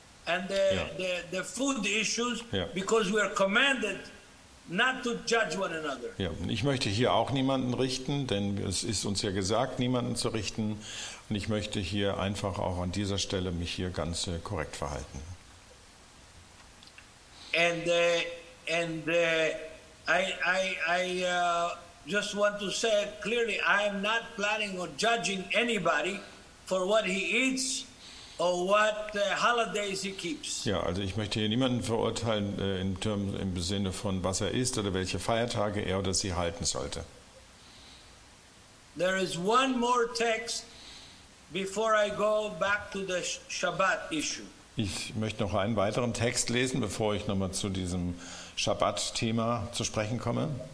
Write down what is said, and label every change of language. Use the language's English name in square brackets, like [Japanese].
[English] and the, the food issues, because we are commanded not to judge one another. [German] Ja, ich möchte hier auch niemanden richten, denn es ist uns ja gesagt, niemanden zu richten. Und ich möchte hier einfach auch an dieser Stelle mich hier ganz korrekt verhalten. [English] And I just want to say clearly, I am not planning on judging anybody for what he eats or what holidays he keeps. [German] Ja, also ich möchte hier niemanden verurteilen im Sinne von was er isst oder welche Feiertage er oder sie halten sollte. [English] There is one more text before I go back to the Shabbat issue. [German] Ich möchte noch einen weiteren Text lesen, bevor ich nochmal zu diesem Shabbat-Thema zu sprechen komme.